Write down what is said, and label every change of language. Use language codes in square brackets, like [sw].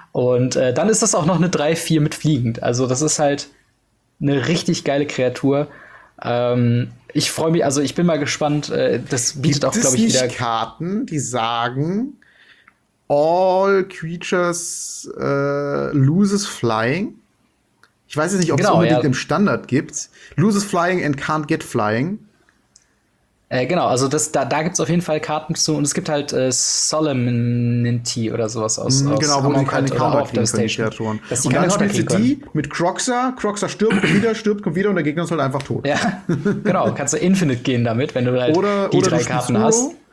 [de] Und dann ist das auch noch eine 3-4 mit fliegend. Also das ist halt eine richtig geile Kreatur. Ich freue mich, also ich bin mal gespannt. Das bietet auch, glaube ich, wieder. Gibt es nicht Karten, die sagen, [en] all creatures loses flying? [de] Ich weiß jetzt nicht, ob es unbedingt im Standard gibt. [en] Loses flying and can't get flying. [de] Genau, also da gibt es auf jeden Fall Karten zu, und es gibt halt Solemnity oder sowas aus. Genau, wo man keine Counter kriegen können. Und dann spielst du die mit Kroxa stirbt, kommt wieder und der Gegner ist halt einfach tot. Ja, genau, kannst du Infinite gehen damit, wenn du halt drei du Karten hast.